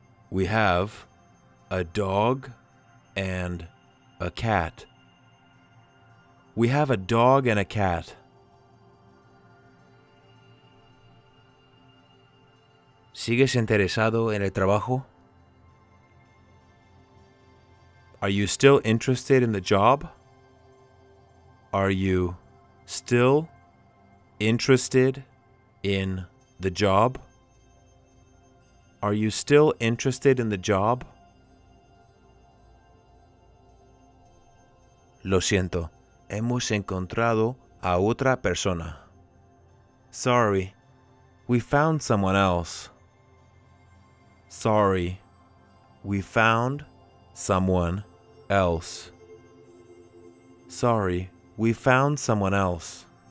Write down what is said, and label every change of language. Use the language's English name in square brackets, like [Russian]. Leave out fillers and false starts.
[English] We have a dog and a cat. We have a dog and a cat. [Spanish] ¿Sigues interesado en el trabajo? [English] Are you still interested in the job? Are you still interested in the job? Are you still interested in the job? [Spanish] Lo siento, hemos encontrado a otra persona. [English] Sorry, we found someone else. Sorry, we found someone else. Sorry, we found someone else.